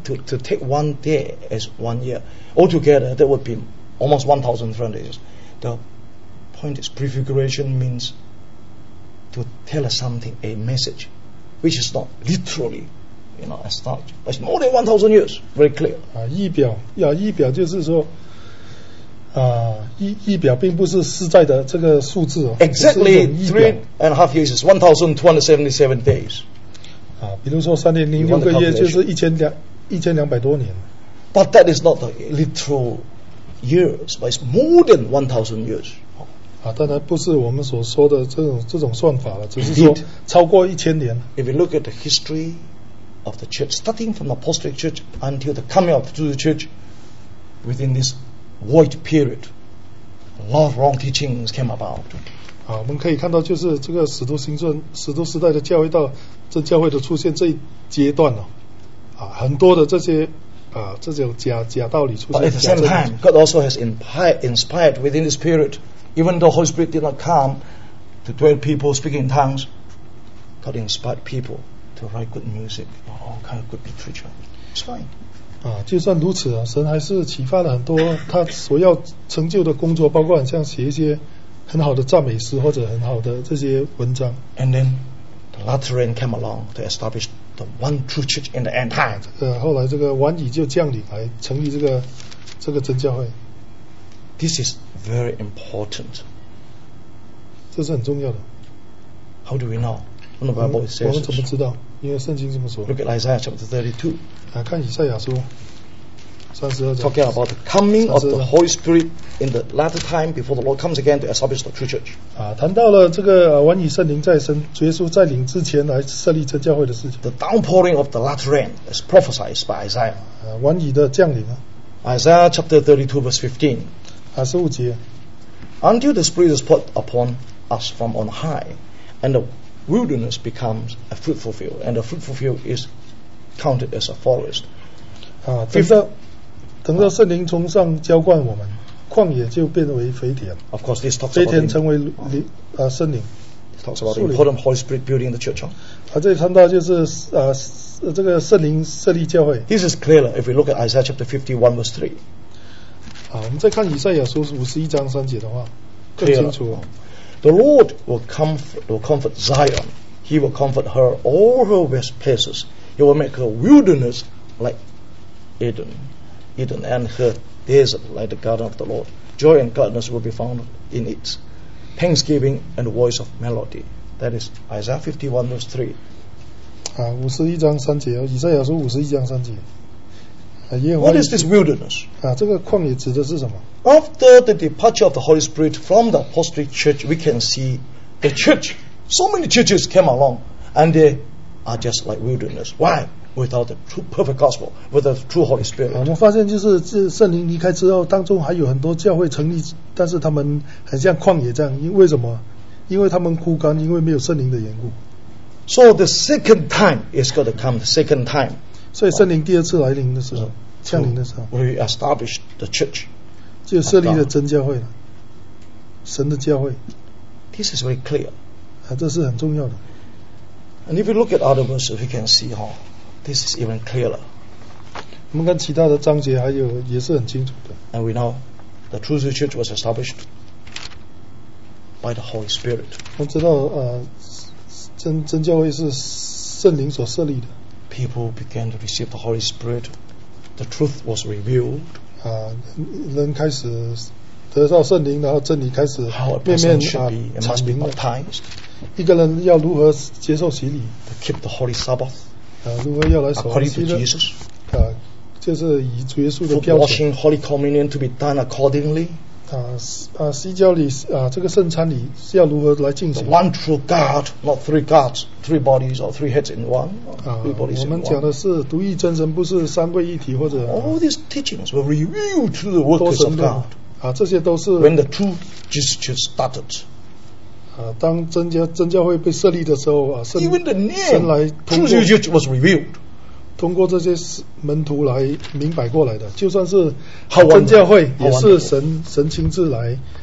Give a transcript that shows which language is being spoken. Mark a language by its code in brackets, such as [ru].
[en] To take one day as one year altogether that would be almost 1,300 years. The point is prefiguration means to tell us something a message which is not literallyas such but it's more than 1,000 years very clear [zh] 预表就是说预表并不是实在的这个数字、哦、 [en] Exactly three and a half years is 1,277 days [zh] 比如说三年零六个月就是1,200多年 [en] But that is not the literal years but it's more than 1,000 years [zh] 当然不是我们所说的这种算法了只是说超过一千年 [en] Indeed, If you look at the historyof the church starting from the apostolic church until the coming of the church within this void period a lot of wrong teachings came about [zh] 我们可以看到就是这个使徒行传使徒时代的教会到这教会的出现这一阶段、很多的这些、这种 假道理出现 [en] But at the same time God also has inspired within this period even though Holy Spirit did not come to dwell people speaking in tongues God inspired peopleto write good music or all kind of good literature it's fine [zh] 就算如此、神还是启发了很多他所要成就的工作包括很像写一些、很好的赞美诗或者很好的这些文章。 [en] And then the Lutheran came along to establish the one true church in the end time. [zh] 后来这个晚矣就降临来成立这个真教会。 [en] This is very important. [zh] 这是很重要的。 [en] How do we know? When the Bible says. [zh] 我们怎么知道？因为圣经这么说。 [en] Look at Isaiah chapter 32. [zh] 看以赛亚书。 [en] Talking about the coming of the Holy Spirit in the latter time before the Lord comes again to establish the true church. [zh] 谈到了这个晚以圣灵再生，耶稣再临之前来设立真教会的事情。 [en] The downpouring of the latter rain is prophesied by Isaiah. [zh] 晚以的降临啊。 [en] Isaiah chapter 32 verse 15. [zh] 十五节。 [en] Until the Spirit is put upon us from on high, and the wilderness becomes a fruitful field, and the fruitful field is counted as a forest. [zh] 等到圣灵从上浇灌我们，旷野就变为肥田。 [en] Of course, this talks about [zh] 肥田成为森林。 [en] It talks about the important Holy Spirit building the church. [zh] 这里谈到就是这个圣灵设立教会。 [en] This is clearer if we look at Isaiah chapter 51 verse 3. [zh] 我们再看以赛亚书51章3节的话，更清楚。 [en] The Lord will comfort Zion. He will comfort her all her waste places. He will make her wilderness like Eden. Eden and her desert like the garden of the Lord. Joy and gladness will be found in it. Thanksgiving and voice of melody. That is Isaiah 51 verse 3. [zh] 51章3节，以赛亚书51章3节。 [en] What is this wilderness? [zh] 这个旷野指的是什么？ [en] After the departure of the Holy Spirit from the apostolic church, we can see the church. So many churches came along and they are just like wilderness. Why? Without the true perfect gospel, without the true Holy Spirit. [zh] 我们发现就是圣灵离开之后，当中还有很多教会成立，但是他们很像旷野这样。因为什么？因为他们枯干，因为没有圣灵的缘故。 [en] So the second time is going to come. The second time. [zh] 所以圣灵第二次来临的时候，降临的时候 [en] ，we establish the church. [zh] 就设立了真教会了，神的教会。 [en] This is very clear. [zh] 这是很重要的。 [en] And if you look at other verses, we can see how. This is even clearer. [zh] 我们跟其他的章节还有也是很清楚的。 [en] And we know the true church was established by the Holy Spirit. [zh] 我知道真教会是圣灵所设立的。 [en] People began to receive the Holy Spirit. The truth was revealed. [zh] 人开始得到圣灵，然后真理开始面面阐明了。一个人要如何接受洗礼 [en] ？To keep the Holy Sabbath. [zh] 如何要来守 [en] ？According to Jesus, [zh] 就是以主耶稣的标准。 [en] Washing Holy Communion to be done accordingly. [zh] 西教里这个圣餐礼是要如何来进行 [en] ？One true God, not three gods, three bodies or three heads in one. [zh] 我们讲的是独一真神，不是三位一体或者。 [en] All these teachings were revealed to the workers of God. [zh] 这些都是。 [en] When the true Jesus Church started. [zh] 当真教会被设立的时候神来通过 [en] Even the name, true was revealed. [zh] 通过这些门徒来明白过来的就算是真教会也是 神亲自来